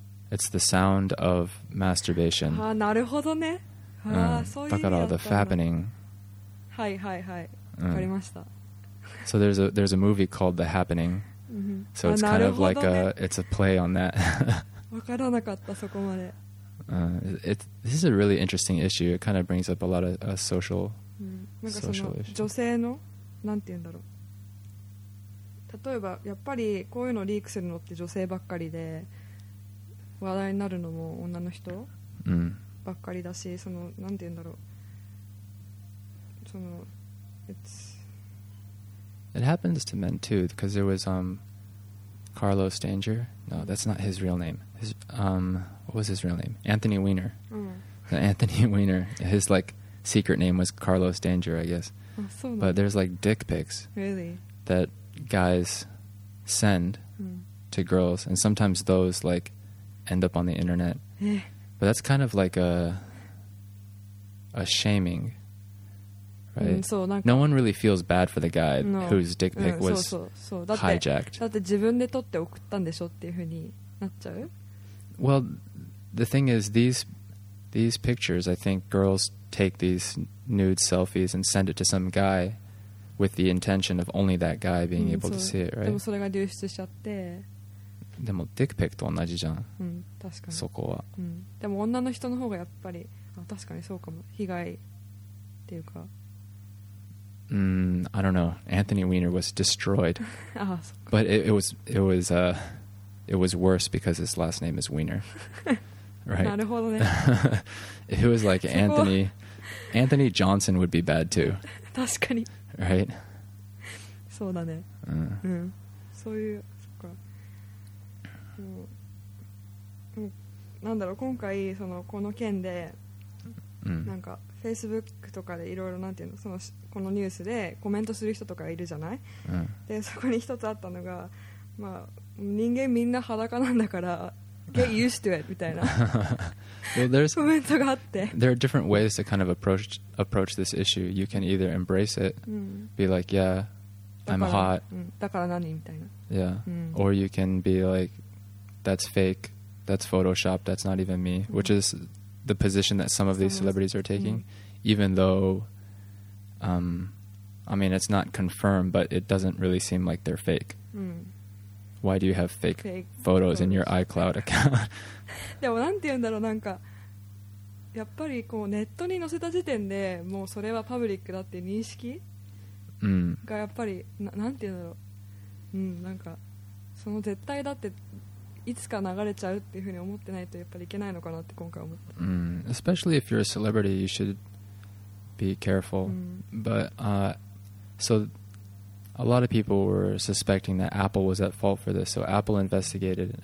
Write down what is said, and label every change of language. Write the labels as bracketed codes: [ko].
[en] It's the sound of masturbation. [ja] Ah, なるほどね。だから [en] the fappening. [ja] はいはいはい。わかりました。 [en] So there's a movie called The Happening. So it's kind of like it's a play on that. [ja] わからなかったそこまで。 [en] This is a really interesting issue. It kind of brings up a lot of social issues. [ja] 女性のなんて言うんだろう。例えばやっぱりこういうのリークするのって女性ばっかりで話題になるのも女の人ばっかりだし、そのなんて言うんだろう。その [en] It happens to men too because there was Carlos Danger. No, that's not his real name. What was his real name? Anthony Weiner. Anthony Weiner. His like secret name was Carlos Danger, I guess. But there's like dick pics. Really? That guys send to girls, and sometimes those like end up on the internet. But that's kind of like a shaming, Right? [ja] そう、なんか、 [en] no one really feels bad for the guy whose dick pic was hijacked. [ja] だって自分で撮って送ったんでしょっていう風になっちゃう? [en] Well, the thing is, these pictures, I think girls take these nude selfies and send it to some guy with the intention of only that guy being able to see it, right? [ja] でもそれが流出しちゃって。でもディックペックと同じじゃん。うん、確かに。そこは。うん。でも女の人の方がやっぱり、あ、確かにそうかも。被害っていうか。 [en] I don't know. Anthony Weiner was destroyed. [ja] ああ、そっか。 [en] But it was worse because his last name is Weiner. Right? [ja] なるほどね。 [en] It was like Anthony... Anthony Johnson would be bad too. [ja] 確かに。 [en] Right? [ja] そうだね。うん。そういう、そっか。なんだろう、今回そのこの件で、なんか Facebook とかでいろいろなんていうの、そのこのニュースでコメントする人とかいるじゃない、でそこに一つあったのが、まあ、人間みんな裸なんだから [en] Get used to it [ja] みたいな [en] well, <there's, [ja] laughs> コメントがあって、 [en] There are different ways to kind of approach this issue. You can either embrace it、be like, yeah, I'm hot、 [ja] だから何みたいな、 [en] yeah、or you can be likeThat's fake. That's Photoshop. That's not even me. Which is the position that some of these celebrities are taking. Even though, I mean, it's not confirmed, but it doesn't really seem like they're fake. Why do you have fake photos in your iCloud account? [ja] でもなんて言うんだろう、なんかやっぱりこうネットに載せた時点でもうそれはパブリックだって認識がやっぱり なんて言うんだろう、なんかその絶対だっていつか流れちゃうっていうふうに思ってないとやっぱりいけないのかなって今回思った。 [en] Especially if you're a celebrity, you should be careful. But so a lot of people were suspecting that Apple was at fault for this. So Apple investigated.